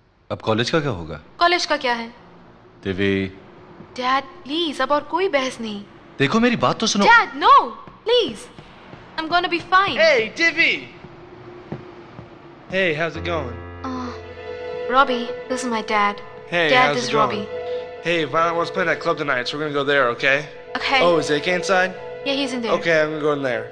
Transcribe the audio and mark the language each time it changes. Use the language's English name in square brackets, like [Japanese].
[Hindi] अब कॉलेज का क्या होगा? कॉलेज का क्या है? देवे। डैड प्लीज, अब और कोई बहस नहीं। देखो मेरी बात तो सुनो। [English] Dad no please, I am gonna be fine. Hey Dave, hey how is it going? Robbie, this is my dad. Hey, dad this is Robbie. Hey, Violet wants to play that club tonight, so we're gonna go there, okay? Okay. Oh, is AK inside? Yeah, he's in there. Okay, I'm gonna go in there.